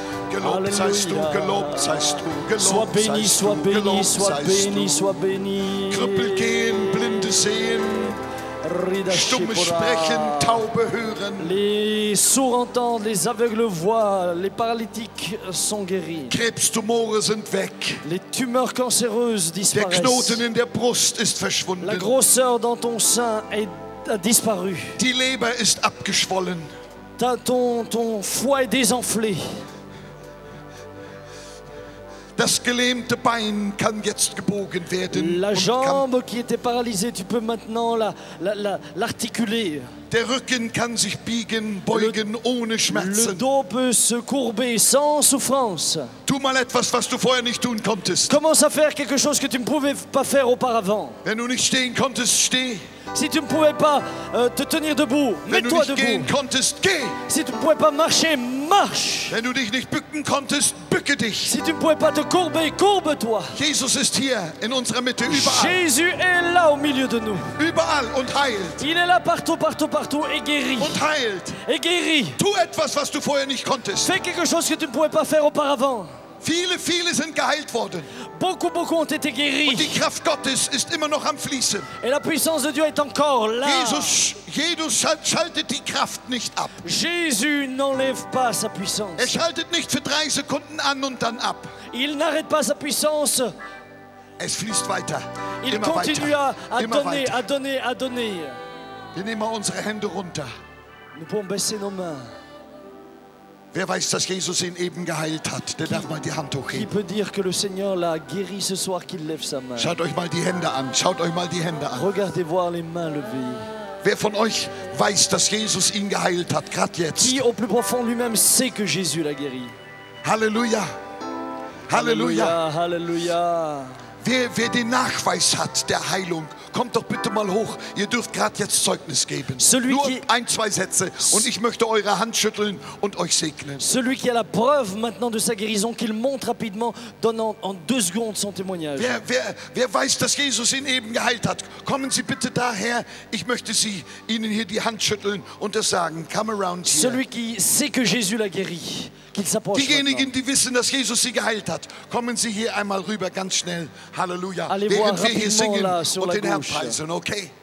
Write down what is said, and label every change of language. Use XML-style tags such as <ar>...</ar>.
<de>Gelobt seist du, gelobt seist du, gelobt</de> <fr>sois béni,</fr> <de>seist du,</de> <fr>sois béni, sois béni, sois béni.</fr> <de>Krüppel gehen, blinde sehen. Stumme sprechen, taube hören.</de> <fr>Les sourds entendent, les aveugles voient, les paralytiques sont guéris.</fr> <de>Krebstumore sind weg.</de> <fr>Les tumeurs cancéreuses disparaissent.</fr> <de>Der Knoten in der Brust ist verschwunden.</de> <fr>La grosseur dans ton sein a disparu.</fr> <de>Die Leber ist abgeschwollen.</de> <fr>Ton foie est désenflé.</fr> <de>Das gelähmte Bein kann jetzt gebogen werden.</de> <fr>La jambe qui était paralysée, tu peux maintenant l'articuler.</fr> <de>Der Rücken kann sich biegen, beugen ohne Schmerzen.</de> <fr>Le dos peut se courber sans souffrance.</fr> <de>Tu mal etwas, was du vorher nicht tun konntest.</de> <fr>Commence à faire quelque chose que tu ne pouvais pas faire auparavant.</fr> <de>Wenn du nicht stehen konntest, steh.</de> <fr>Si tu ne pouvais pas te tenir debout, mets-toi debout.</fr> <de>Wenn du nicht gehen konntest, geh.</de> <fr>Si tu ne pouvais pas marcher, marche.</fr> <de>Wenn du dich nicht bücken konntest, bücke dich.</de> <fr>Si tu ne pouvais pas te courber, courbe-toi.</fr> <de>Jesus ist hier in unserer Mitte, überall.</de> <fr>Jésus est là au milieu de nous.</fr> <de>Überall und heilt.</de> <fr>Il est là partout, partout, partout et guérit.</fr> <de>Und heilt.</de> <fr>Et guérit.</fr> <de>Tu etwas, was du vorher nicht konntest.</de> <fr>Fais quelque chose que tu ne pouvais pas faire auparavant.</fr> <de>Viele, viele sind geheilt worden.</de> <fr>Beaucoup, beaucoup ont été guéris.</fr> <de>Und die Kraft Gottes ist immer noch am fließen.</de> <fr>Et la puissance de Dieu est encore là.</fr> <de>Jesus schaltet die Kraft nicht ab.</de> <fr>Jésus n'enlève pas sa puissance.</fr> <de>Er schaltet nicht für drei Sekunden an und dann ab.</de> <fr>Il n'arrête pas sa puissance.</fr> <de>Es fließt weiter.</de> <fr>Il</fr> <de>immer</de> <fr>continue</fr> <de>weiter.</de> <fr>À</fr> <de>immer</de> <fr>donner,</fr> <de>weiter.</de> <fr>À donner, à donner.</fr> <de>Wir nehmen mal unsere Hände runter.</de> <fr>Nous pouvons baisser nos mains.</fr> <de>Wer weiß, dass Jesus ihn eben geheilt hat, der darf mal die Hand hochheben.</de> <fr>Qui peut dire que le Seigneur l'a guéri ce soir qu'il lève sa main?</fr> <de>Schaut euch mal die Hände an, schaut euch mal die Hände an.</de> <fr>Regardez voir les mains levées.</fr> <de>Wer von euch weiß, dass Jesus ihn geheilt hat, gerade jetzt?</de> <fr>Qui au plus profond lui-même sait que Jésus l'a guéri?</fr> <de>Halleluja. Halleluja. Halleluja. Wer den Nachweis hat der Heilung, kommt doch bitte mal hoch. Ihr dürft gerade jetzt Zeugnis geben. Ein, zwei Sätze. Und ich möchte eure Hand schütteln und euch segnen.</de> <fr>Celui qui a la preuve maintenant de sa guérison, qu'il montre rapidement, donnant en deux secondes son témoignage.</fr> <de>Wer weiß, dass Jesus ihn eben geheilt hat? Kommen Sie bitte daher. Ich möchte Sie Ihnen hier die Hand schütteln und das sagen.</de> <en>Come around here.</en> <fr>Celui qui sait que Jésus l'a guéri.</fr> <de>Diejenigen, die wissen, dass Jesus sie geheilt hat, kommen Sie hier einmal rüber, ganz schnell. Halleluja.</de> <fr>Allez,</fr> <de>während wir hier singen</de> <fr>là,</fr> <de>und den Herrn preisen, okay?</de>